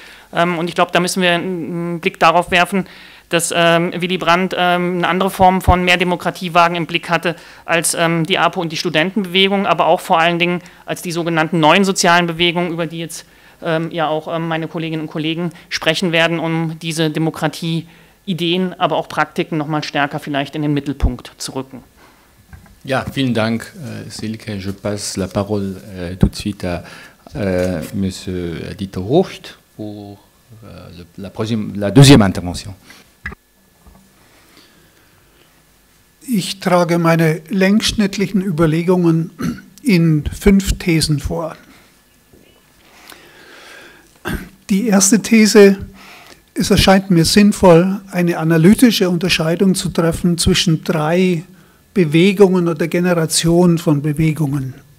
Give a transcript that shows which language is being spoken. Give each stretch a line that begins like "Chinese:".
German: Und ich glaube, da müssen wir einen Blick darauf werfen, dass Willy Brandt eine andere Form von mehr Demokratie wagen im Blick hatte als die APO und die Studentenbewegung, aber auch vor allen Dingen als die sogenannten neuen sozialen Bewegungen, über die jetzt ja auch meine Kolleginnen und Kollegen sprechen werden, um diese Demokratieideen, aber auch Praktiken nochmal stärker vielleicht in den Mittelpunkt zu rücken. Ja, vielen Dank, Silke.
French: Je passe la parole tout de suite à Monsieur Dieter Rucht pour la deuxième intervention.
German: Ich trage meine längsschnittlichen Überlegungen in 5 Thesen vor. Die erste These: Es erscheint mir sinnvoll, eine analytische Unterscheidung zu treffen zwischen 3 Bewegungen oder Generationen von Bewegungen.